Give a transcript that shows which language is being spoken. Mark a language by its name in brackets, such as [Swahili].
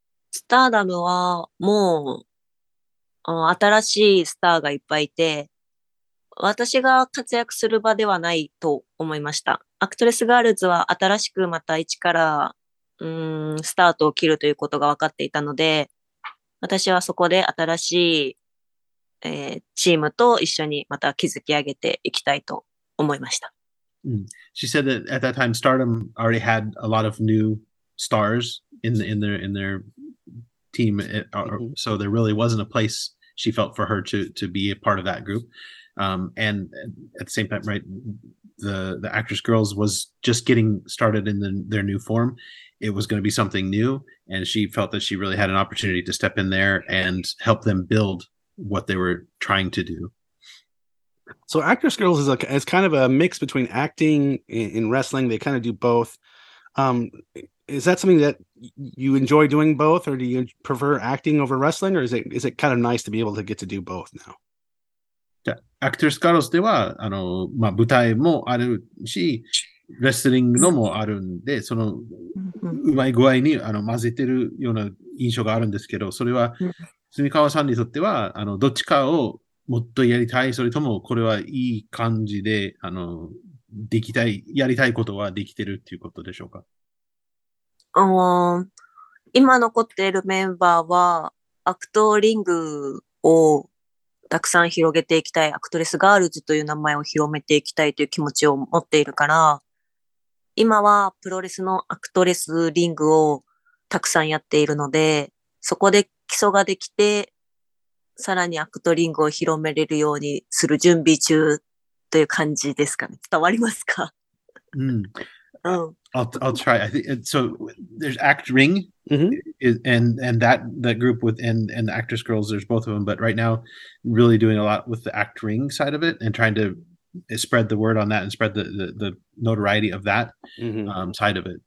[Japanese] スターダムはもう新しいスターがいっぱいいて、私が活躍する場ではないと思いました。アクトレスガールズは新しくまた一からスタートを切るということが分かっていたので、私はそこで新しい、チームと一緒にまた築き上げていきたいと思いました。 Mm. [English] She said that at that time, stardom already had a lot of newstars in their team, so there really wasn't a place she felt for her to be a part of that group, and at the same time, right, the Actress Girls was just getting started in their new form. It was going to be something new, and she felt that she really had an opportunity to step in there and help them build what they were trying to do. So Actress Girls is kind of a mix between acting and wrestling. They kind of do both. Is that something that you enjoy doing both, or do you prefer acting over wrestling, or is it kind of nice to be able to get to do both now? [Japanese] アクトレスガールズでは、まあ、舞台もあるし、レスリングのもあるんで、そのうまい具合に混ぜてるような印象があるんですけど、それは住川さんにとってはどっちかをもっとやりたい、それともこれはいい感じでできたい、やりたいことはできてるっていうことでしょうか？今残っているメンバーは、アクトリングをたくさん広げていきたい、アクトレスガールズという名前を広めていきたいという気持ちを持っているから、今はプロレスのアクトレスリングをたくさんやっているので、そこで基礎ができて、さらにアクトリングを広めれるようにする準備中という感じですかね。伝わりますか？ [English] うん。I'll try. I think so. There's Act Ring, and that group with and the Actress Girls. There's both of them, but right now, really doing a lot with the Act Ring side of it and trying to spread the word on that and spread the notoriety of that side of it.